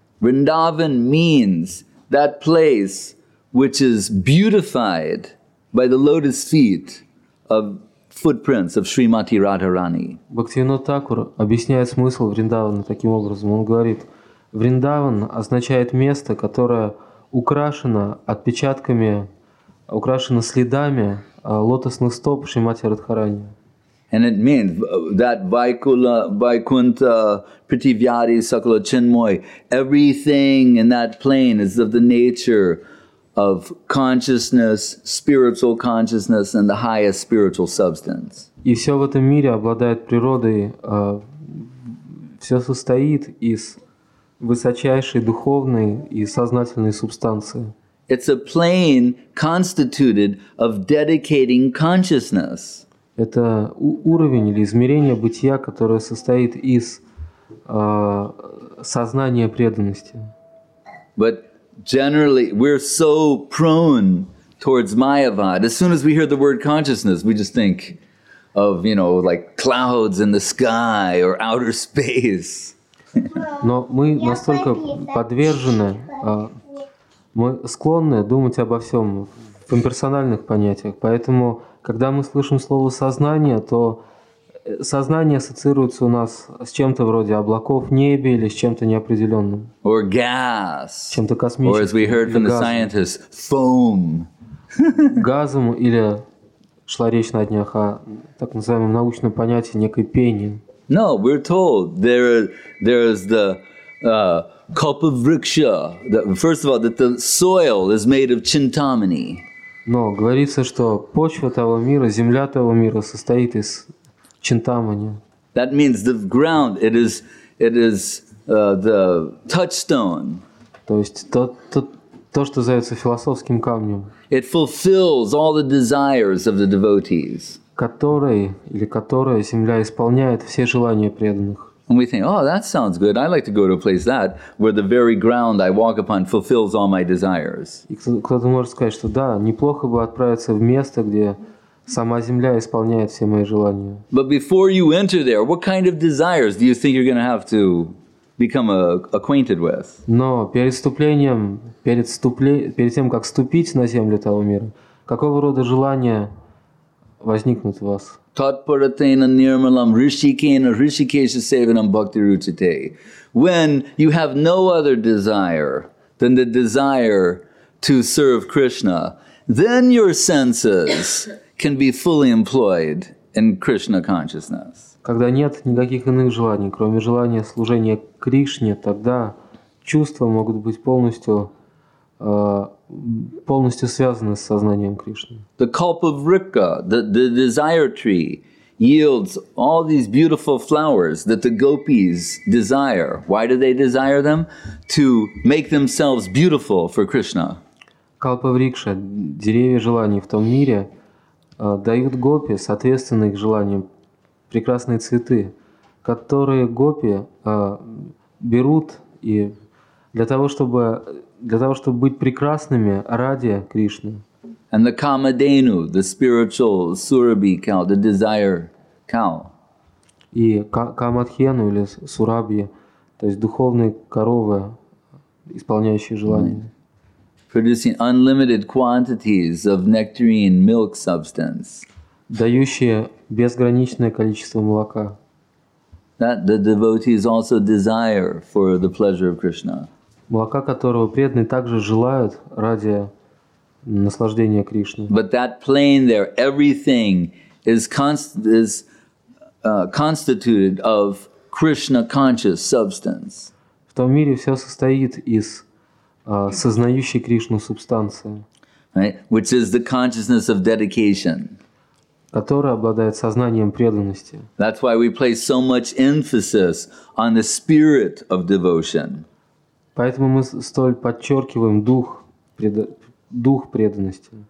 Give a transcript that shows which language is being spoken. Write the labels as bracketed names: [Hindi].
[English] Vrindavan means that place which is beautified by the lotus feet of footprints of Srimati Radharani. [Russian] Bhaktivinoda Thakur объясняет смысл Вриндавана таким образом. Он говорит, Вриндаван означает место, которое украшена отпечатками, украшена следами лотосных стоп Шримати Радхарани. [English] And it means that Vaikula, Vaikunta, Prithivyari, Sakala, Chinmoy, everything in that plane is of the nature of consciousness, spiritual consciousness and the highest spiritual substance. [Russian] И все в этом мире обладает природой, все состоит из высочайшей духовной и сознательной субстанции. [English] It's a plane constituted of dedicating consciousness. [Russian] Это уровень или измерение бытия, которое состоит из сознания преданности. [English] But generally we're so prone towards Mayavad. As soon as we hear the word consciousness, we just think of, you know, like clouds in the sky or outer space. [Russian] Но мы настолько подвержены, мы склонны думать обо всем в имперсональных понятиях. Поэтому, когда мы слышим слово «сознание», то сознание ассоциируется у нас с чем-то вроде облаков в небе или с чем-то неопределенным. [English] Or gas. [Russian] Чем-то космическим. [English] Or as we heard from the scientists, foam. [Russian] Газом или, шла речь на днях о так называемом научном понятии, некой пене. [English] No, we're told there is the cup of vriksha. First of all, that the soil is made of chintamani. [Russian] Но говорится, что почва того мира, земля того мира состоит из чинтамани. [English] That means the ground. It is the touchstone. [Russian] То есть то, что называется философским камнем. [English] It fulfills all the desires of the devotees. [Russian] которой или которая земля исполняет все желания преданных. [English] And we think, oh, that sounds good. I'd like to go to a place that where the very ground I walk upon fulfills all my desires. [Russian] И кто-то может сказать, что да, неплохо бы отправиться в место, где сама земля исполняет все мои желания. [English] But before you enter there, what kind of desires do you think you're going to have to become acquainted with? [Russian] Но перед тем, как ступить на землю того мира, какого рода желания возникнут у вас? [Sanskrit] Tatparatena nirmalam rishikena rishikesha sevanam bhakti ruchate. [English] When you have no other desire than the desire to serve Krishna, then your senses can be fully employed in Krishna consciousness. [Russian] Когда нет никаких иных желаний, кроме желания служения Кришне, тогда чувства могут быть полностью связаны с сознанием Кришны. [English] The kalpavrikha, the desire tree, yields all these beautiful flowers that the gopis desire. Why do they desire them? To make themselves beautiful for Krishna. [Russian] Kalpavriksha, деревья желаний в том мире, дают гопи, соответственно их желаниям, прекрасные цветы, которые гопи берут и для того, чтобы быть прекрасными ради Кришны. [English] And the Kamadenu, the spiritual Surabhi cow, the desire cow. [Russian] И Камадхену или Сурабхи, то есть духовные коровы, исполняющие желания. [English] Producing unlimited quantities of nectarine milk substance. [Russian] Дающие безграничное количество молока. [English] That the devotees also desire for the pleasure of Krishna. [Russian] Молока, которого преданные также желают ради наслаждения Кришны. [English] But that plane there, everything is constituted of Krishna conscious substance. [Russian] В том мире все состоит из сознающей Кришну субстанции. [English] Right? Which is the consciousness of dedication. [Russian] Которая обладает сознанием преданности. [English] That's why we place so much emphasis on the spirit of devotion. [Russian] Поэтому мы столь подчеркиваем дух преданности.